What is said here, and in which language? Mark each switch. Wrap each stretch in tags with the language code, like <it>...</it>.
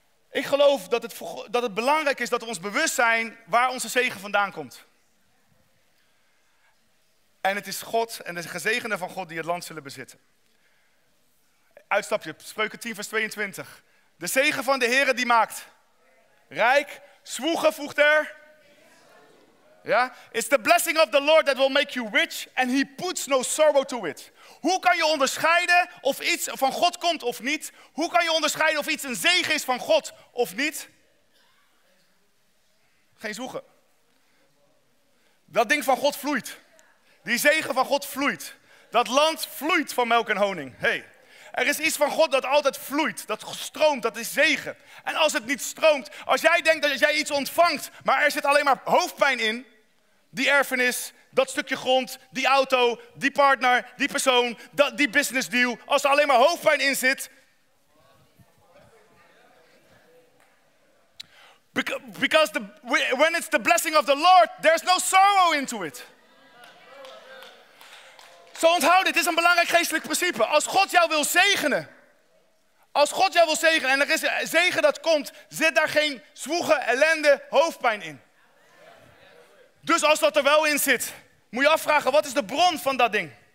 <nl>Ik geloof dat het belangrijk is dat we ons bewust zijn waar onze zegen vandaan komt. En het is God en de gezegenden van God die het land zullen bezitten. Uitstapje, Spreuken 10 vers 22. De zegen van de Heere die maakt rijk, zwoegen voegt er. Ja?</nl> <en>It's the blessing of the Lord that will make you rich and he puts no sorrow to it.</en> <nl>Hoe kan je onderscheiden of iets van God komt of niet? Hoe kan je onderscheiden of iets een zegen is van God of niet? Geen zwoegen. Dat ding van God vloeit. Die zegen van God vloeit. Dat land vloeit van melk en honing. Hey. Er is iets van God dat altijd vloeit. Dat stroomt, dat is zegen. En als het niet stroomt, als jij denkt dat jij iets ontvangt, maar er zit alleen maar hoofdpijn in. Die erfenis, dat stukje grond, die auto, die partner, die persoon, die business deal. Als er alleen maar hoofdpijn in zit.</nl> <en>Because when it's the blessing of the Lord, there's no sorrow into it.</en> <nl>Zo onthoud dit, het is een belangrijk geestelijk principe. Als God jou wil zegenen. Als God jou wil zegenen en er is een zegen dat komt, zit daar geen zwoegen, ellende, hoofdpijn in. Dus als dat er wel in zit, moet je afvragen, wat is de bron van dat ding?</nl>